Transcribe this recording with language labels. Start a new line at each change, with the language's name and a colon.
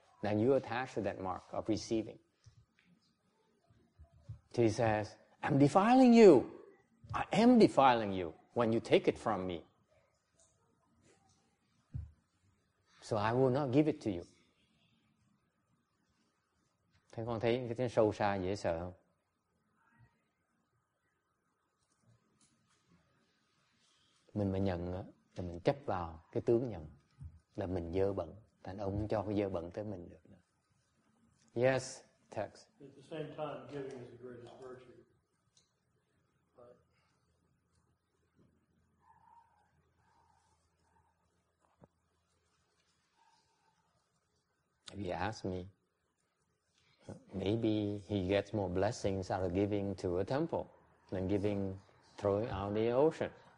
English: Then you attach to that mark of receiving. He says, I'm defiling you. I am defiling you when you take it from me. So I will not give it to you.
Vietnamese: Thế con thấy cái tiếng sâu xa dễ sợ không? Mình mà nhận là mình chấp vào cái tướng nhận là mình dơ bẩn. Thành ông cho cái dơ bẩn tới mình được.
English: Yes, text. At the same time, giving is the greatest virtue. But if you ask me, maybe he gets more blessings out of giving to a temple than giving, throwing out the ocean.